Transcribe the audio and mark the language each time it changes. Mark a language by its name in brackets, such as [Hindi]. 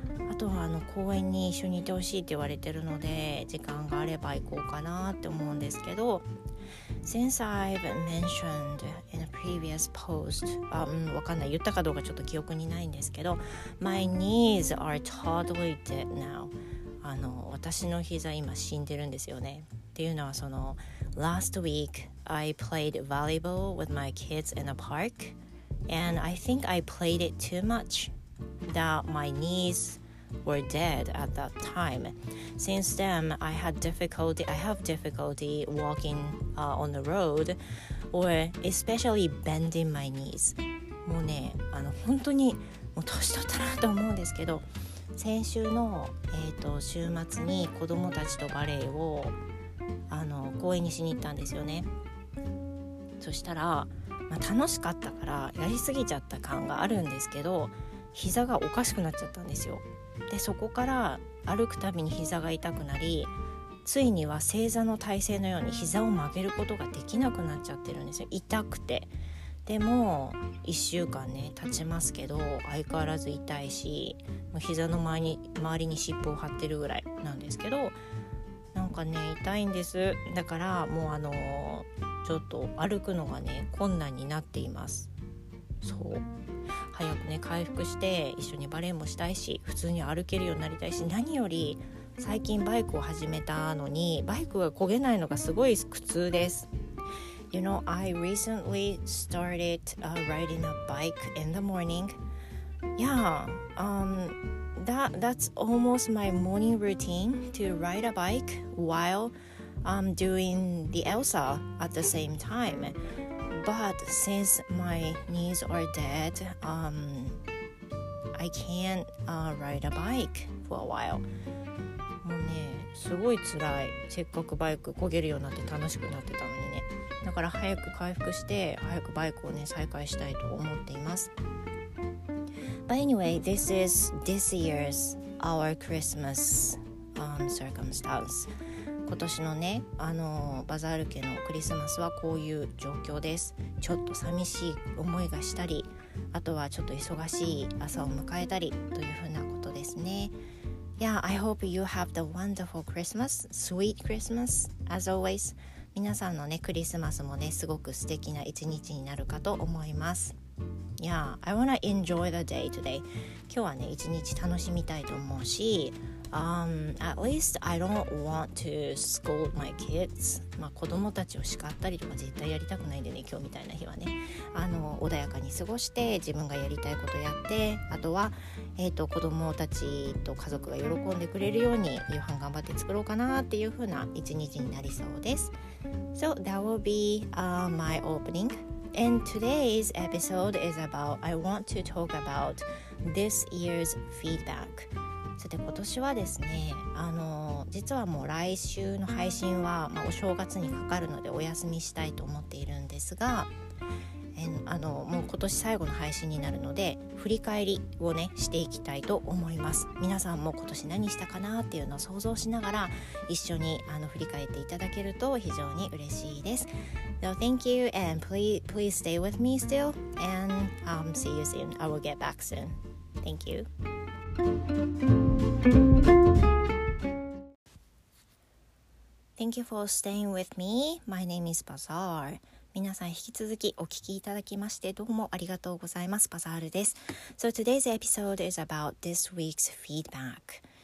[Japanese] あとは公園に一緒にいてほしいって言われてるので、時間があれば行こうかなって思うんですけど、 [English] Since I've mentioned in a previous post、 [Japanese] わかんない、言ったかどうかちょっと記憶にないんですけど、 [English] My knees are totally dead now。 [Japanese] 私の膝今死んでるんですよね。っていうのは、その [English] Last week I played volleyball with my kids in a park and I think I played it too muchThat my knees were dead at that time. Since then, I have difficulty walking on the road, or especially bending my knees. [Japanese] もうね、本当にもう年取ったなと思うんですけど、先週の週末に子供たちとバレエを公園にしに行ったんですよね。そしたら、楽しかったからやりすぎちゃった感があるんですけど。膝がおかしくなっちゃったんですよ。で、そこから歩くたびに膝が痛くなり、ついには正座の体勢のように膝を曲げることができなくなっちゃってるんですよ、痛くて。でも1週間ね経ちますけど、相変わらず痛いし、もう膝の前に周りに尻尾を張ってるぐらいなんですけど、なんかね痛いんです。だからもうちょっと歩くのがね困難になっています。そう、早くね回復して、一緒にバレエもしたいし、普通に歩けるようになりたいし、何より最近バイクを始めたのに、バイクが漕げないのがすごい苦痛です。 [English] You know, I recently started riding a bike in the morning. Yeah, that's almost my morning routine, to ride a bike while I'm doing the Elsa at the same time. But since my knees are dead, I can't ride a bike for a while. [Japanese] もうね、すごい辛い。せっかくバイク漕げるようになって楽しくなってたのにね。だから早く回復して、早くバイクをね、再開したいと思っています。 [English] But anyway, this year's our Christmas circumstance. [Japanese] 今年のね、バザール家のクリスマスはこういう状況です。ちょっと寂しい思いがしたり、あとはちょっと忙しい朝を迎えたりというふうなことですね。 [English] Yeah, I hope you have the wonderful Christmas, sweet Christmas, as always. [Japanese] 皆さんのね、クリスマスもね、すごく素敵な一日になるかと思います。 [English] Yeah, I wanna enjoy the day today. [Japanese] 今日はね、一日楽しみたいと思うし、 [English] at least I don't want to scold my kids. [Japanese] まあ子供たちを叱ったりとか絶対やりたくないんでね、今日みたいな日はね。穏やかに過ごして、自分がやりたいことやって、あとは子供たちと家族が喜んでくれるように夕飯頑張って作ろうかなっていう風な一日になりそうです。 [English] So that will be my opening. And today's episode is about I want to talk about this year's feedback. [Japanese] さて、今年はですね、実はもう来週の配信は、お正月にかかるのでお休みしたいと思っているんですが、もう今年最後の配信になるので振り返りをねしていきたいと思います。皆さんも今年何したかなっていうのを想像しながら一緒に振り返っていただけると非常に嬉しいです。 [English] So thank you and please stay with me still and see you soon. I will get back soon. Thank you. Thank you for staying with me. My name is Bazaar. [Japanese] 皆さん引き続きお聞きいただきましてどうもありがとうございます。 Bazaarです。 [English] So today's episode is about this week's feedback.